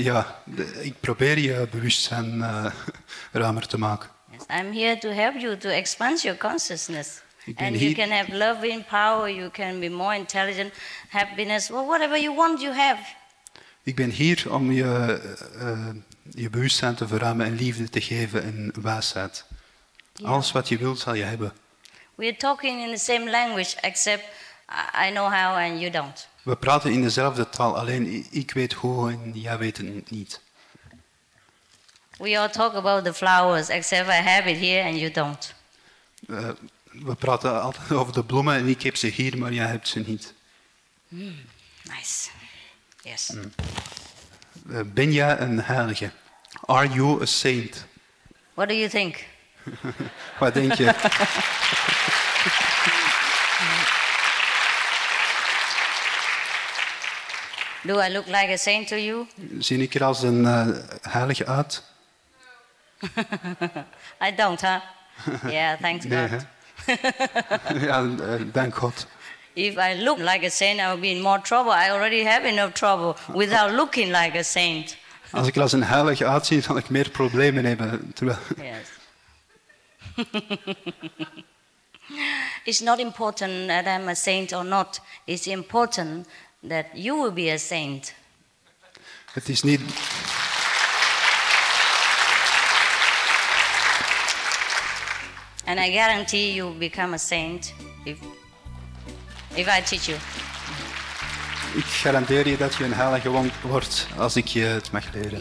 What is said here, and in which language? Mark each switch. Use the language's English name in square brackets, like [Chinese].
[Dutch] Ja, ik probeer je bewustzijn ruimer te maken. [English] Yes, I'm here to help you to expand your consciousness. And you can have loving power, you can be more intelligent, happiness, well, whatever you want, you have. [Dutch] Ik ben hier om je je bewustzijn te verruimen en liefde te geven en wijsheid. Yeah. Alles wat je wilt, zal je hebben. [English] We're talking in the same language, except I know how and you don't. [Dutch] We praten in dezelfde taal, alleen ik weet hoe en jij weet het niet. [English] We all talk about the flowers, except I have it here and you don't. [Dutch] We praten altijd over de bloemen en ik heb ze hier, maar jij hebt ze niet. [English] Mm, nice. Yes. [Dutch] Ben jij een heilige? [English] Are you a saint? What do you think? [Dutch] Wat denk je? [English] Do I look like a saint to you? [Dutch] Zie ik er als een heilige uit? [English] No. I don't, huh? Yeah, thanks [Dutch] nee, God. Ja, dank God. [English] If I look like a saint, I will be in more trouble. I already have enough trouble without looking like a saint. [Dutch] Als ik er als een heilige uitzie, zal ik meer problemen hebben. Terwijl... [English] Yes. It's not important that I'm a saint or not. It's important that you will be a saint. [Dutch] Het is niet... [English] And I guarantee you become a saint if I teach you. [Dutch] Ik garandeer je dat je een heilige wordt als ik je het mag leren.